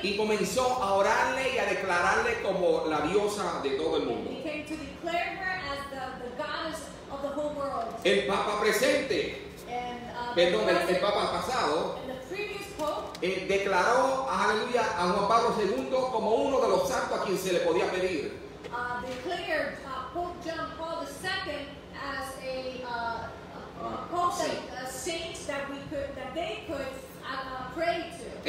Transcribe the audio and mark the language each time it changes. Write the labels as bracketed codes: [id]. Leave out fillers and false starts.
[es] Y comenzó a orarle y a declararle como la diosa de todo el mundo. [en] He came to declare her as the goddess of the whole world. [es] El Papa presente. [en] And [es] perdón, el Papa pasado, declaró a aleluya a Juan Pablo II como uno de los santos a quien se le podía pedir. [en] Declared Pope John Paul II as a saint that they could pray to.